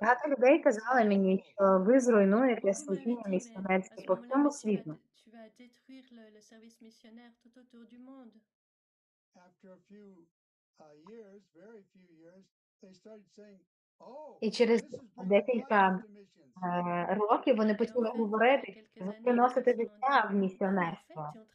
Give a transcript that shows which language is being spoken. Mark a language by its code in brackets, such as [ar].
[uk] Багато людей казали мені, що ви зруйнуєте служіння місіонерське по всьому світу. [fr] Tu vas détruire le service missionnaire tout autour du monde. [en] After a few years, very few years, they started saying, [uk] і через декілька років вони почали говорити, ви приносите життя в місіонерство.